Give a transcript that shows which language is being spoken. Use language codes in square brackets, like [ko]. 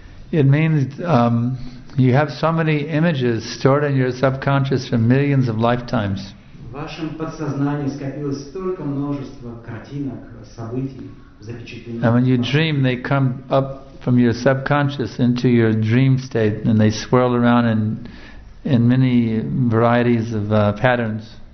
[en] It means you have so many images stored in your subconscious for millions of lifetimes. [ru] В вашем подсознании скопилось столько множества картинок, событий, запечатлений. [en] And when you dream, they come up from your subconscious into your dream state, and they swirl around in many varieties of patterns.